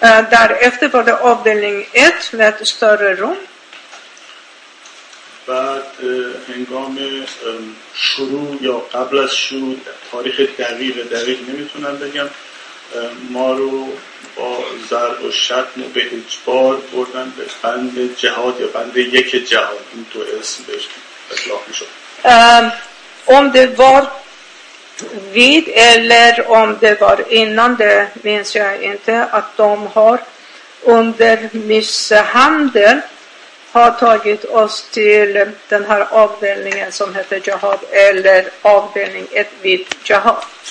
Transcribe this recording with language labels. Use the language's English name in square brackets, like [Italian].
[Swedish] Därefter var det avdelning 1 med ett större rum. [Persian] بعد هنگام شروع یا قبل از شروع تاریخ دقیق نمیتونم بگم ما رو با ضرب و شتم و به اجبار بردن به بند جهاد یا بند یک جهاد این دو اسم بهش اطلاق می شد [Swedish] om det var vid eller om det var innan det minns jag inte att de har under misshandel har tagit oss till den här avdelningen som heter jihad eller avdelning 1 vid jihad